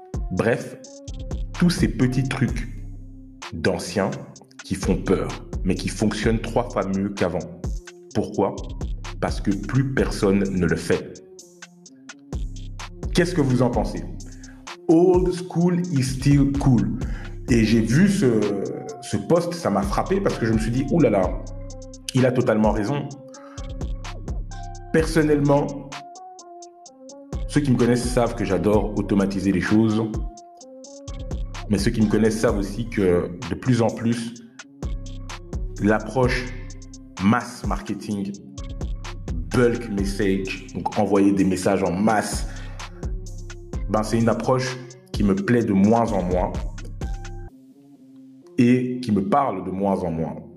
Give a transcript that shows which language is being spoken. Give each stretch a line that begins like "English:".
French: Bref, tous ces petits trucs d'anciens qui font peur, mais qui fonctionnent 3 fois mieux qu'avant. Pourquoi? Parce que plus personne ne le fait. Qu'est-ce que vous en pensez?
English: Old school is still cool.
French: Et j'ai vu ce post, ça m'a frappé parce que je me suis dit, oulala, il a totalement raison. Personnellement, ceux qui me connaissent savent que j'adore automatiser les choses. Mais ceux qui me connaissent savent aussi que de plus en plus, l'approche mass marketing, bulk message, donc envoyer des messages en masse, ben c'est une approche qui me plaît de moins en moins et qui me parle de moins en moins.